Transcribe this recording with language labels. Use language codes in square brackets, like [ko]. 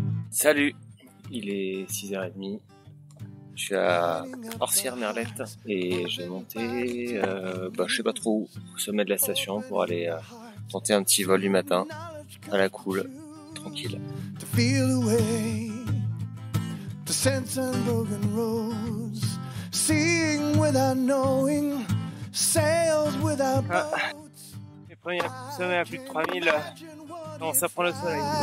[fr] Salut, il est 6h30, je suis à Orcières Merlette et j'ai monté, je sais pas trop où, au sommet de la station pour aller tenter un petit vol du matin, à la cool, tranquille. [en] To feel the way, to sense unbroken roads, seeing without knowing, sails without boats. [fr] Les premiers sommets à plus de 3000. Non, ça prend le soleil.